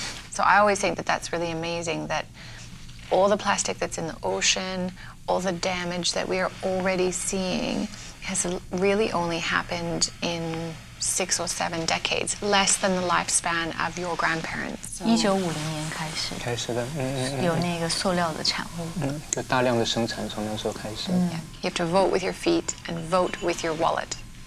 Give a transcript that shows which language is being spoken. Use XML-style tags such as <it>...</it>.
<en>So I always think that that's really amazing that all the plastic that's in the ocean, all the damage that we are already seeing has really only happened in 6 or 7 decades, less than the lifespan of your grandparents.</en> <zh>1950年开始，有那个塑料的产物，就大量的生产，从那时候开始。</zh> <en>You have to vote with your feet and vote with your wallet.</en>